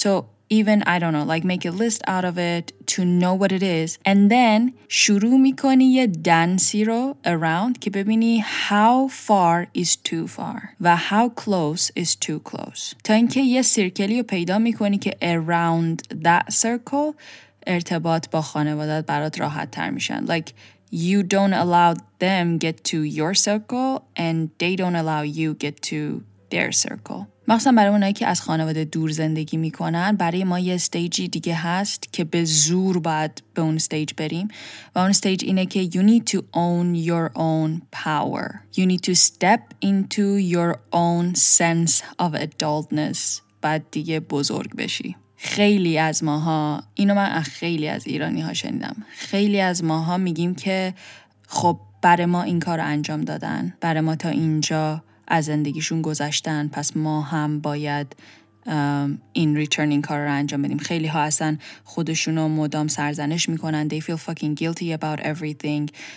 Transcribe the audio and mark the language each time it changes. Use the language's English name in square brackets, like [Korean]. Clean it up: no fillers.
[English] So even I don't know like make a list out of it to know what it is and then [Persian] شروع میکنی یه [English] dance رو around که ببینی how far is too far و how close is too close [Persian] تا اینکه یه سرکلی رو پیدا میکنی که [English] around that circle [Persian] ارتباط با خانوادت برات راحت تر میشن [English] like you don't allow them get to your circle and they don't allow you get to their circle. [Persian] مخصوصا برای اونایی که از خانواده دور زندگی میکنن برای ما یه استیجی دیگه هست که به زور باید به اون استیج بریم و اون استیج اینه که [English] you need to own your own power. You need to step into your own sense of adultness. [Persian] بعد دیگه بزرگ بشی. خیلی از ماها اینو من خیلی از ایرانی ها شنیدم خیلی از ماها میگیم که خب برای ما این کار انجام دادن برای ما تا اینجا از زندگیشون گذشتن پس ما هم باید این ریترن این کار رو انجام بدیم خیلی ها اصلا خودشونو مدام سرزنش میکنن [English] they feel fucking guilty about everything